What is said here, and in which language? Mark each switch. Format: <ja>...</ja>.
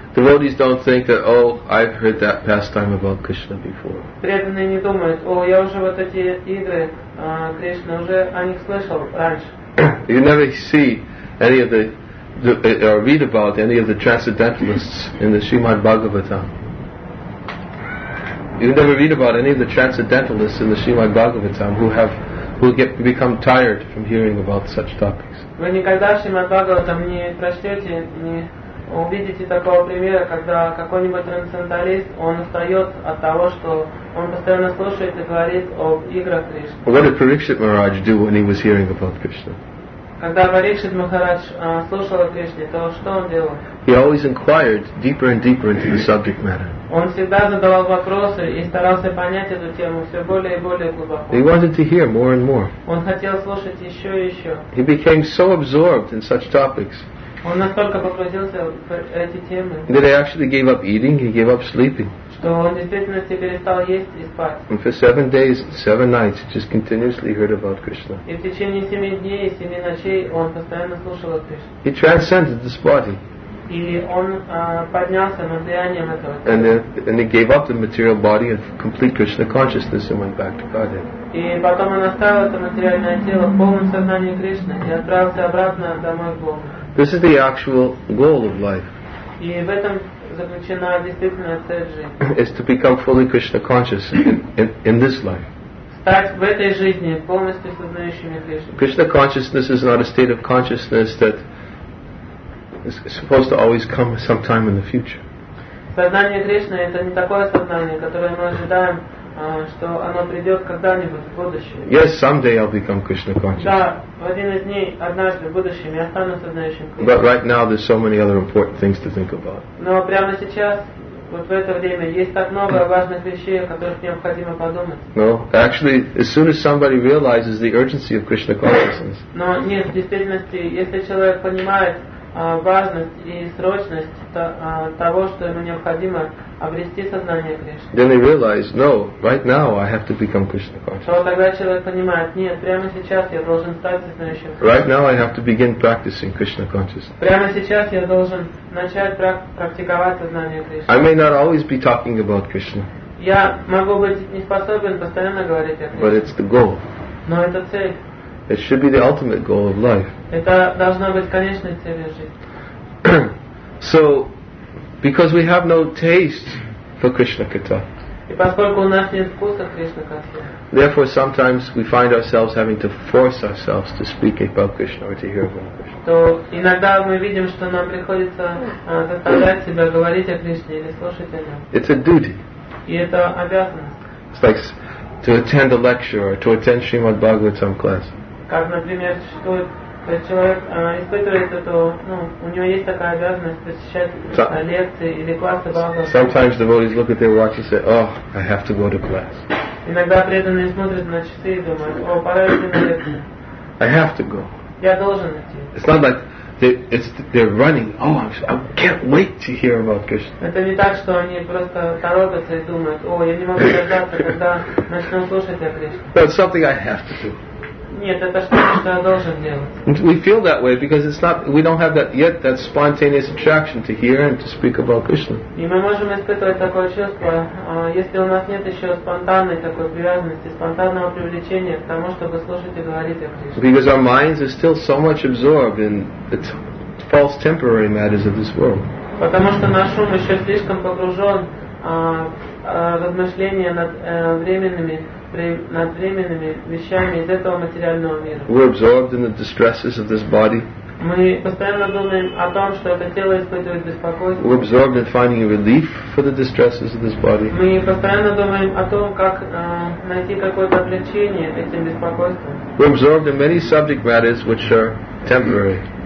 <en>Devotees don't think that, oh, I've heard that pastime about Krishna before.</en> <ru>Преданные не думают, о, я уже вот эти игры Кришны уже о них слышал раньше.</ru> <en>You never see any of the or read about any of the transcendentalists in the Srimad Bhagavatam. You never read about any of the transcendentalists in the Srimad Bhagavatam who become tired from hearing about such topics.</en> <ru>Вы никогда в Шримад Бхагаватам не прочтете, не увидите такого примера, когда какой-нибудь трансценденталист он устает от того, что он постоянно слушает и говорит об играх Кришны.</ru> <en>What did Parikshit Maharaj do when he was hearing about Krishna?</en> <ru>Когда Парикшит Махарадж слушал о Кришне, то что он делал?</ru> <en>He always inquired deeper and deeper into the subject matter.</en> <ru>Он всегда задавал вопросы и старался понять эту тему все более и более глубоко.</ru> <en>He wanted to hear more and more.</en> <ru>Он хотел слушать еще и еще.</ru> <en>He became so absorbed in such topics.</en> <ru>Он настолько погрузился в эти темы.</ru> <en>That he actually gave up eating, he gave up sleeping.</en> <ru>Что он действительно перестал есть и спать.</ru> <en>And for 7 days, 7 nights, just continuously heard about Krishna.</en> <ru>И в течение 7 дней и 7 ночей он постоянно слушал о Кришне.</ru> <en>He transcended this body.</en> <ru>И он поднялся над влиянием этого.</ru> <en>And he gave up the material body and complete Krishna consciousness and went back to Godhead.</en> <ru>И потом он оставил это материальное тело в полном сознании Кришны и отправился обратно домой к Богу.</ru> <en>This is the actual goal of life.</en> <ru>И в этом заключена действительная цель жизни.</ru> <en>Is to become fully Krishna conscious in this life.</en> <ru>Стать в этой жизни полностью сознающими Кришну.</ru> <en>Krishna consciousness is not a state of consciousness that is supposed to always come sometime in the future.</en> <ru>Сознание Кришны — это не такое сознание, которое мы ожидаем, что оно придет когда-нибудь в будущем.</ru> <en>Yes, someday I'll become Krishna conscious.</en> <ru>Да, в один из дней, однажды в будущем, я стану сознающим Кришной.</ru> <en>But right now there's so many other important things to think about.</en> <ru>Но прямо сейчас, вот в это время, есть так много важных вещей, о которых необходимо подумать.</ru> <en>No, actually, as soon as somebody realizes the urgency of Krishna consciousness.</en> <ru>Но нет, в действительности, если человек понимает важность и срочность того, что ему необходимо обрести сознание Кришны.</ru> <en>Then they realize, no, right now I have to become Krishna conscious.</en> <ru>То тогда человек понимает, нет, прямо сейчас я должен стать сознающим Кришной.</ru> <en>Right now I have to begin practicing Krishna consciousness.</en> <ru>Прямо сейчас я должен начать практиковать сознание Кришны.</ru> <en>I may not always be talking about Krishna.</en> <ru>Я могу быть не способен постоянно говорить о Кришне.</ru> <en>But it's the goal.</en> <ru>Но это цель.</ru> <en>It should be the ultimate goal of life.</en> <ru>Это должна быть конечной целью жизни.</ru> <en>So, because we have no taste for Krishna Katha.</en> <ru>И поскольку у нас нет вкуса Кришна Катхи.</ru> <en>Therefore, sometimes we find ourselves having to force ourselves to speak about Krishna or to hear about Krishna.</en> <ru>То иногда мы видим, что нам приходится заставлять себя говорить о Кришне или слушать о нем.</ru> <en>It's a duty.</en> <ru>И это обязанность.</ru> <en>It's like to attend a lecture or to attend Srimad Bhagavatam class.</en> <ru>Как, например, что человек испытывает это, у него есть такая обязанность посещать лекции или классы Бхагаватам.</ru> <en>Sometimes devotees look at their watch and say, oh, I have to go to class.</en> <ru>Иногда преданные смотрят на часы и думают, о, пора идти на лекцию.</ru> <en>I have to go.</en> <ru>Я должен идти.</ru> <en>It's not like they're running. Oh, I can't wait to hear about Krishna.</en> <ru>Это не так, что они просто торопятся и думают, о, я не могу дождаться, когда начну слушать о Кришне.</ru> <en>That's something I have to do.</en> <ru>Нет, это что-то, что я должен делать.</ru> <en>We feel that way because it's not, we don't have that yet, that spontaneous attraction to hear and to speak about Krishna.</en> <ru>И мы можем испытывать такое чувство, если у нас нет еще спонтанной такой привязанности, спонтанного привлечения к тому, чтобы слушать и говорить о Кришне.</ru> <en>Because our minds are still so much absorbed in the false temporary matters of this world.</en> <ru>Потому что наш ум еще слишком погружен в размышления над временными вещами из этого материального мира.</ru> <en>We're absorbed in the distresses of this body.</en> <ru>Мы постоянно думаем о том, что это тело испытывает беспокойство.</ru> <en>We're absorbed in finding relief for the distresses of this body.</en> <ru>Мы постоянно думаем о том, как найти какое-то облегчение этим беспокойством.</ru> <en>We're absorbed in many subject matters which are temporary.</en>